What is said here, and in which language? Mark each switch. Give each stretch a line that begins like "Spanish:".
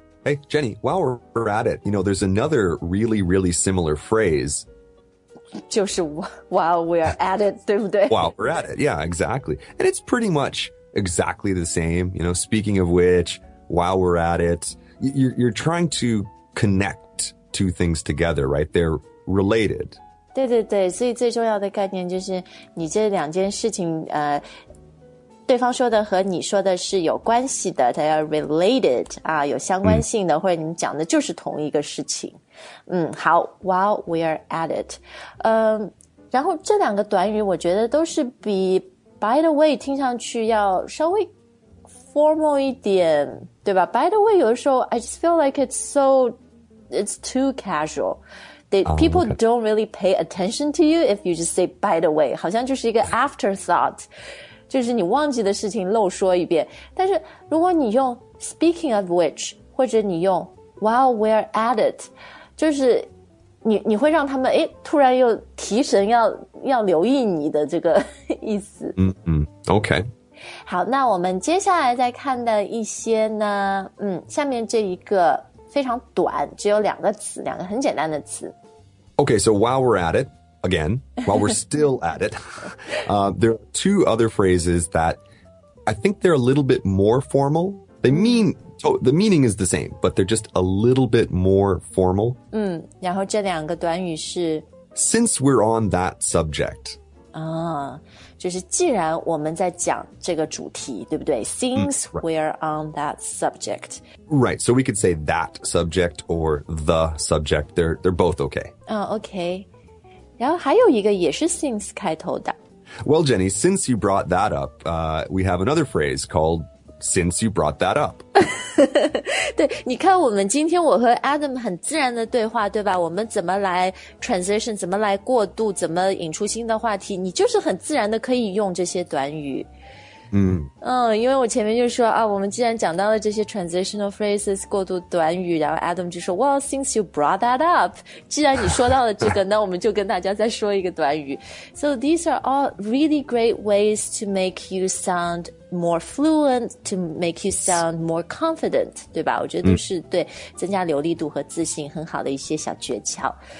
English: Hey, Jenny, while we're at it, you know, there's another really, really similar phrase. 就是 while we're at it,
Chinese: 对不对
English: While we're at it, yeah, exactly. And it's pretty much exactly the same, you know, speaking of which, while we're at it, you're trying to connect two things together, right? They're related.
Chinese: 对对对所以最重要的概念就是你这两件事情对方说的和你说的是有关系的它要 related, 有相关性的或者你讲的就是同一个事情。好
English: while we are at it.
Chinese: 然后这两个短语我觉得都是比 by the way 听上去要稍微 formal 一点对吧 by the way 有的时候
English: I just feel like it's too casual. People don't really pay attention to you if you just say by the way.
Chinese: 好像就是一个 afterthought. 就是你忘记的事情漏说一遍。但是如果你用
English: speaking of which,
Chinese: 或者你用
English: while we're at it,
Chinese: 就是你会让他们诶突然又提神要留意你的这个意思。
English: Okay.
Chinese: 好那我们接下来再看的一些呢下面这一个非常短只有两个词两个很简单的词
English: Okay, so while we're at it, again, while we're still at it, there are two other phrases that I think they're a little bit more formal. They mean, so the meaning is the same, but they're just a little bit more formal.
Chinese: 然后这两个短语是
English: Since we're on that subject.
Chinese: 就是既然我们在讲这个主题对不对
English: Since we're on that subject Right, so we could say that subject or the subject They're both okay
Chinese: Okay 然后还有一个也是 since 开头的
English: Well Jenny, since you brought that up We have another phrase called since you brought that up.
Chinese: 对，你看我们今天我和 Adam 很自然的对话，对吧？我们怎么来 transition， 怎么来过渡，怎么引出新的话题，你就是很自然的可以用这些短语。嗯嗯，因为我前面就说啊，我们既然讲到了这些 transitional phrases 过渡短语，然后 Adam 就说
English: Well, since you brought that up，
Chinese: 既然你说到了这个，那我们就跟大家再说一个短语。
English: So these are all really great ways to make you sound more fluent, to make you sound more confident，
Chinese: 对吧？我觉得都是对增加流利度和自信很好的一些小诀窍。